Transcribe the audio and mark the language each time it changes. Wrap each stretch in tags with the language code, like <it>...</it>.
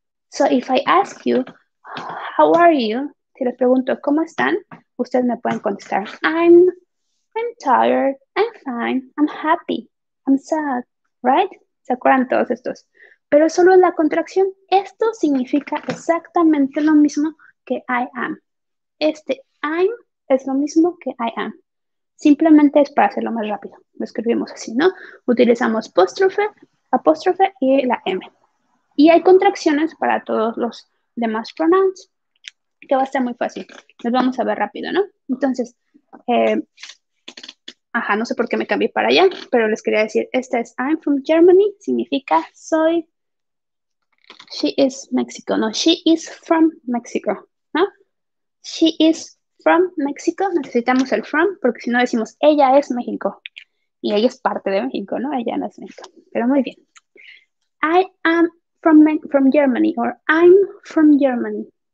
<en>So if I ask you, how are you?</en> <es>Si les pregunto, ¿cómo están? Ustedes me pueden contestar,</es> <en>I'm tired, I'm fine, I'm happy, I'm sad, right?</en> <es>¿Se acuerdan todos estos? Pero solo la contracción, esto significa exactamente lo mismo que I am. Este I'm es lo mismo que I am. Simplemente es para hacerlo más rápido. Lo escribimos así, ¿no? Utilizamos apóstrofe y la M. Y hay contracciones para todos los demás pronouns, que va a ser muy fácil. Nos vamos a ver rápido, ¿no? Entonces, no sé por qué me cambié para allá, pero les quería decir, esta es</es> <en>I'm from Germany,</en> <es>significa soy,</es> <en>she is Mexico, no, she is from Mexico,</en> <es>¿no?</es> <en>She is from Mexico,</en> <es>necesitamos el from, porque si no decimos, ella es México, y ella es parte de México, ¿no? Ella no es México, pero muy bien.</es> <en>I am from Germany, or I'm from Germany.</en>